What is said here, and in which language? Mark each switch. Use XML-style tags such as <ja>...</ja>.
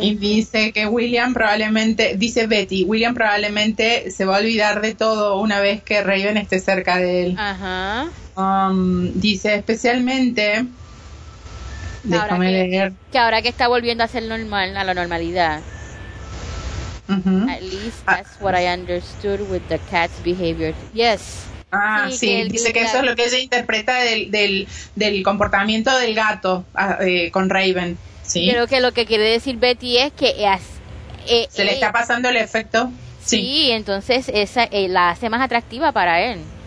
<es>Y dice que William probablemente, dice Betty, William probablemente se va a olvidar de todo una vez que Raven esté cerca de él. Ajá. Dice especialmente, déjame leer. Que ahora que está volviendo a ser normal, a la normalidad. Uh-huh.</es> <en>At least that's what I understood with the cat's behavior. Yes.</en> <es>Ah, sí, que dice que eso es lo que ella interpreta del comportamiento del gato con Raven. Sí. Creo que lo que quiere decir Betty es que se le está pasando el efecto. Sí, sí, entonces esa la hace más atractiva para él.</es>